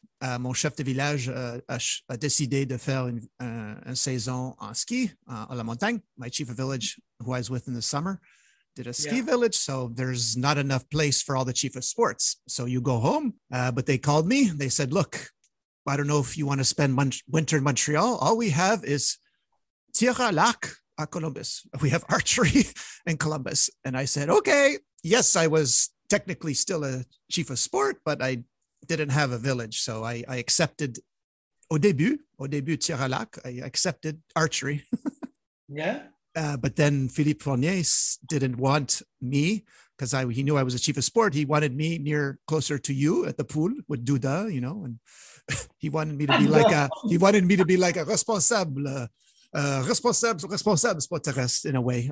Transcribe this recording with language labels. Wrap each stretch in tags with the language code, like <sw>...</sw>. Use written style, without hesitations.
<fr>Mon chef de village a décidé de faire une saison en ski à la montagne.</fr> <en>My chief of village, who I was with in the summer, did a ski village. So there's not enough place for all the chief of sports. So you go home. But they called me. They said, "Look, I don't know if you want to spend winter in Montreal. All we have is tir à l'arc à Columbus. We have archery in Columbus." And I said, "Okay." Yes, I was technically still a chief of sport, but I didn't have a village. So I accepted</en> <fr>au début</fr> <en>tir à l'arc, I accepted archery. but then Philippe Fournier didn't want me because he knew I was a chief of sport. He wanted me closer to you at the pool with Duda, you know, and he wanted me to be like a responsable sporteress in a way.</en>